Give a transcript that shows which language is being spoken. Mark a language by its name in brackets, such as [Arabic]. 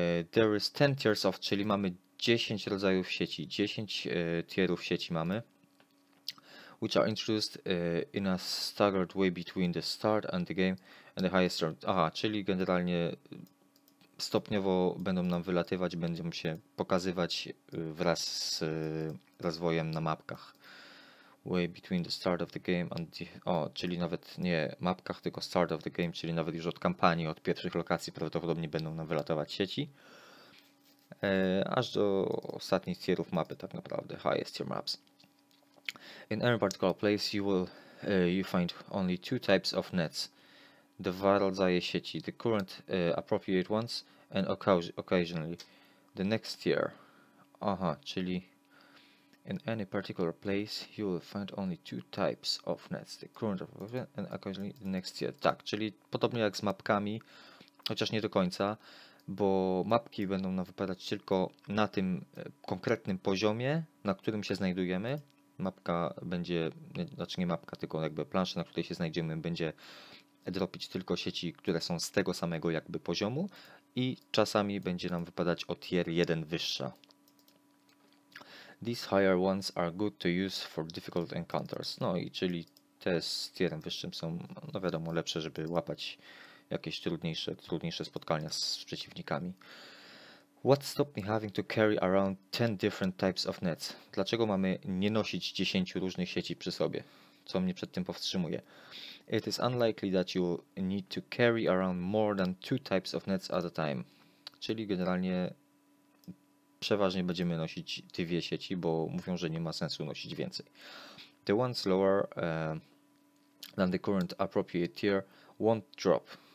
[English] There is 10 tiers of, [Polish] czyli mamy 10 rodzajów sieci, 10 tierów sieci mamy, [English] which are introduced in a staggered way between the start and the game and the highest round. [Polish] Aha, czyli generalnie stopniowo będą nam wylatywać, będą się pokazywać wraz z rozwojem na mapkach. [English] Way between the start of the game and the... [Polish] O, czyli nawet nie mapkach, tylko [English] start of the game, [Polish] czyli nawet już od kampanii, od pierwszych lokacji prawdopodobnie będą nam wylatywać sieci. Aż do ostatnich tierów mapy tak naprawdę, [English] highest tier maps. In any particular place you will you find only two types of nets. [Polish] Dwa rodzaje sieci, [English] the current appropriate ones and occasionally the next tier. [Polish] Aha, czyli [English] in any particular place you will find only two types of nets, the current and occasionally the next tier. [Polish] Tak, czyli podobnie jak z mapkami, chociaż nie do końca, bo mapki będą nam wypadać tylko na tym konkretnym poziomie, na którym się znajdujemy. Mapka będzie, znaczy nie mapka, tylko jakby plansza, na której się znajdziemy, będzie dropić tylko sieci, które są z tego samego jakby poziomu i czasami będzie nam wypadać o tier 1 wyższa. [English] These higher ones are good to use for difficult encounters. [Polish] No i czyli te z tierem wyższym są, no wiadomo, lepsze, żeby łapać jakieś trudniejsze spotkania z przeciwnikami. [English] What stopped me having to carry around 10 different types of nets? [Polish] Dlaczego mamy nie nosić 10 różnych sieci przy sobie? Co mnie przed tym powstrzymuje? [English] It is unlikely that you need to carry around more than two types of nets at a time. [Polish] Czyli generalnie przeważnie będziemy nosić dwie sieci, bo mówią, że nie ma sensu nosić więcej. [English] The ones lower than the current appropriate tier won't drop.